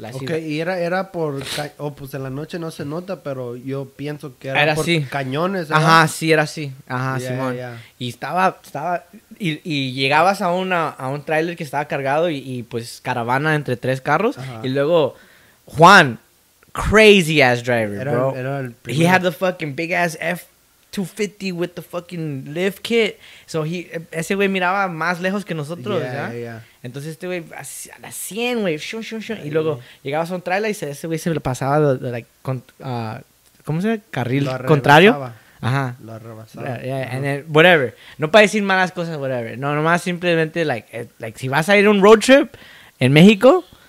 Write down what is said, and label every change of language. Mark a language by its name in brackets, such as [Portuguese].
[Spanish] La ok, ciudad. Y era por, pues en la noche no se nota, pero yo pienso que era por así. Cañones. ¿Verdad? Ajá, sí, era así. Ajá, yeah, Simón. [English] Yeah, yeah. [Spanish] Y estaba, y llegabas a un trailer que estaba cargado y pues caravana entre tres carros. Ajá. Y luego, Juan, [English] crazy ass driver, [Spanish] era, [English] bro. [Spanish] Era el primero. [English] He had the fucking big ass F-250 with the fucking lift kit. [Spanish] So ese güey miraba más lejos que nosotros, [English] yeah, [Spanish] ¿ya? [English] Yeah. [Spanish] Entonces este güey a las 100, güey, y luego llegabas a un trailer y ese güey se le pasaba ¿cómo se llama? Carril contrario. Ajá. Lo arrebasaba. [English] Yeah, yeah. Uh-huh. And then, whatever. [Spanish] No para decir malas cosas, whatever. No, nomás simplemente like si vas a ir a un road trip en México,